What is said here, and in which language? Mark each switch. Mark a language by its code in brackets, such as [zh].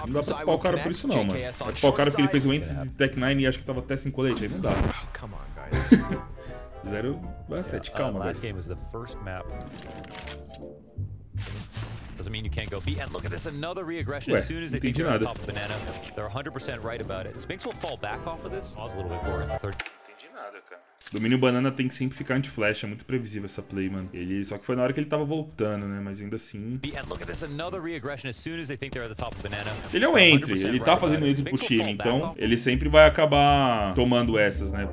[pt] Não dá pra pau o cara por isso não, mano. Pra pau o cara porque ele fez o entry de Tech 9 e acho que tava até sem colete. Aí não dá. [en] Come on, guys. 0/7, [pt] calma, [en] guys. Last game was the first map. doesn't mean you can't go B. And look at this, another re-aggression. Ué, as soon as they think they're on top of banana, they're 100% right about it. Spinks will fall back off of this. Pause a little bit more in the third. [pt] Domínio banana tem que sempre ficar anti-flash, é muito previsível essa play, mano. Ele, só que foi na hora que ele tava voltando, né? Mas ainda assim. Ele é o entry, ele tá fazendo isso pro time, então ele sempre vai acabar tomando essas, né?